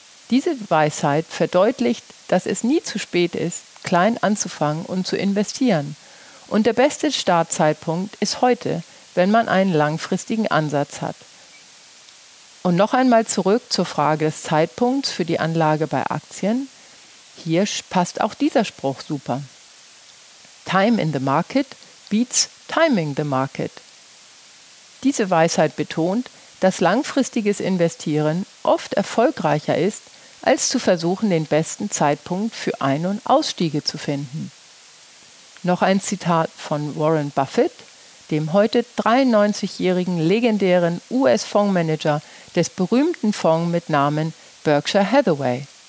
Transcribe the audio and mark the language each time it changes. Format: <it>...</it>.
<de>Diese Weisheit verdeutlicht, dass es nie zu spät ist, klein anzufangen und zu investieren. Und der beste Startzeitpunkt ist heute, wenn man einen langfristigen Ansatz hat. Und noch einmal zurück zur Frage des Zeitpunkts für die Anlage bei Aktien. Hier passt auch dieser Spruch super.</de> <en>Time in the market beats timing the market.</en> <de>Diese Weisheit betont, dass langfristiges Investieren oft erfolgreicher ist, als zu versuchen, den besten Zeitpunkt für Ein- und Ausstiege zu finden. Noch ein Zitat von Warren Buffett, dem heute 93-jährigen legendären US-Fondsmanager des berühmten Fonds mit Namen Berkshire Hathaway.</de>